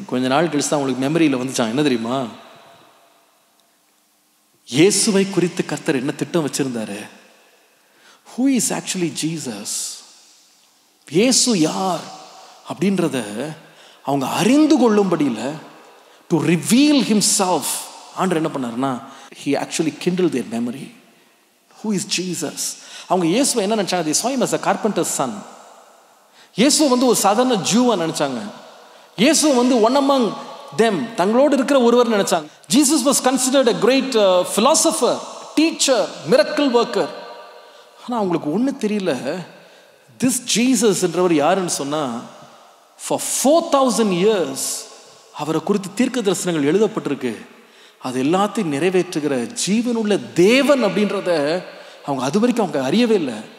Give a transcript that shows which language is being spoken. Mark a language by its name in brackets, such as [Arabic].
[Tamil] கொஞ்ச நாள் கழிச்சு தான் உங்களுக்கு மெமரியில் வந்துச்சான், என்ன தெரியுமா, இயேசுவை குறித்து கர்த்தர் என்ன திட்டம் வச்சிருந்தாரு. [English] Who is actually Jesus? [Tamil] இயேசு யார் அப்படின்றத அவங்க அறிந்து கொள்ளும்படியில் [English] to reveal himself. [Tamil] ஆண்டர் என்ன பண்ணாருன்னா [English] He actually kindled their memory. Who is Jesus? [Tamil] அவங்க இயேசுவை என்ன நினைச்சாங்க, [English] They saw him as a carpenter's son. [Tamil] இயேசு வந்து ஒரு சாதாரண ஜூவா நினைச்சாங்க, இயேசு வந்து [English] one among them, [Tamil] தங்களோடு இருக்கிற ஒருவர் நினைச்சாங்க. [English] Jesus was considered a great philosopher, teacher, miracle worker. [Tamil] ஆனால் அவங்களுக்கு ஒன்று தெரியல, திஸ் ஜீசஸ்ன்றவர் யாருன்னு சொன்னால், [English] for 4000 years [Tamil] அவரை குறித்து தீர்க்க தரிசனங்கள் எழுதப்பட்டிருக்கு, அது எல்லாத்தையும் நிறைவேற்றுகிற ஜீவனுள்ள தேவன் அப்படின்றத அவங்க அது வரைக்கும் அவங்க அறியவே இல்லை.